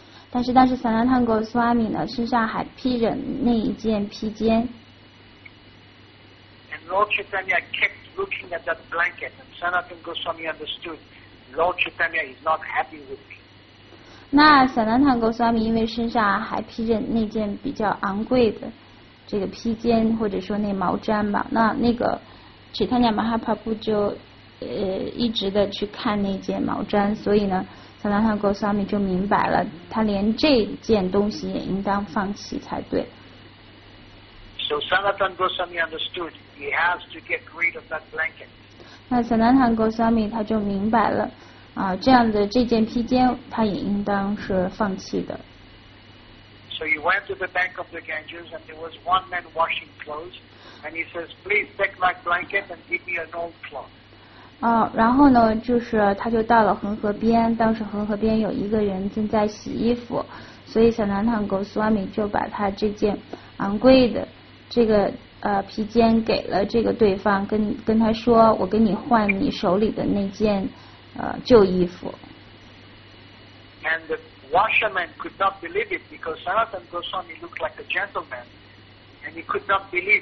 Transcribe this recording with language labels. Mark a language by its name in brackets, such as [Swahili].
[Chinese] 但是萨拉坦果苏阿米呢身上还披着那一件披肩。 [English] Lord Chaitanya kept looking at that blanket, and Sanatana Goswami understood Lord Chaitanya is not happy with me. [Chinese] 那 Sanatana Goswami 因为身上还披着那件比较昂贵的这个披肩，或者说那毛毡吧，那个 Chaitanya Mahaprabhu 就一直的去看那件毛毡，所以呢 ，Sanatana Goswami 就明白了，他连这件东西也应当放弃才对。 [English] So Sanatana Goswami understood. He has to get rid of that blanket. [Chinese] 那 Sanatana Goswami 他就明白了，这样的这件披肩他也应当是放弃的。 [English] So he went to the bank of the Ganges, and there was one man washing clothes, and he says, "Please take my blanket and give me an old cloth." [Chinese] 然后呢，就是他就到了恒河边，当时恒河边有一个人正在洗衣服，所以 Sanatana Goswami 就把他这件昂贵的这个。披肩给了这个对方，跟他说，我给你换你手里的那件旧衣服。 [English] And the washerman could not believe it because Sanatana Goswami looked like a gentleman, and he could not believe.